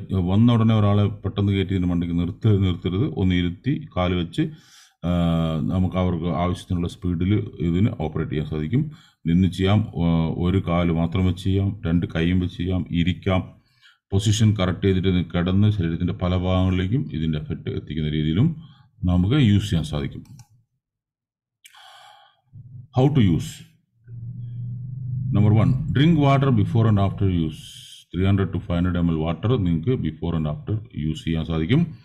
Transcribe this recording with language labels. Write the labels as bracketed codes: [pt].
[ml] വന്ന ഉടനെ ഒരാളെ പെട്ടെന്ന് കയറ്റി ഇതിൻ്റെ മണ്ടിക്ക് നിർത്തരുത്. ഒന്ന് ഇരുത്തി കാല് വെച്ച് നമുക്ക് അവർക്ക് ആവശ്യത്തിനുള്ള സ്പീഡിൽ ഇതിന് ഓപ്പറേറ്റ് ചെയ്യാൻ സാധിക്കും. നിന്ന് ചെയ്യാം, ഒരു കാല് മാത്രം വെച്ച് ചെയ്യാം, രണ്ട് കൈയും വെച്ച് ചെയ്യാം, ഇരിക്കാം. പൊസിഷൻ കറക്റ്റ് ചെയ്തിട്ട് കിടന്ന് ശരീരത്തിൻ്റെ പല ഭാഗങ്ങളിലേക്കും ഇതിൻ്റെ എഫക്ട് എത്തിക്കുന്ന രീതിയിലും നമുക്ക് യൂസ് ചെയ്യാൻ സാധിക്കും. [en] How to use? Number one, drink water before and after use. 300 to 500 ml water [ml] നിങ്ങൾക്ക് [en] before and after use [ml] ചെയ്യാൻ സാധിക്കും.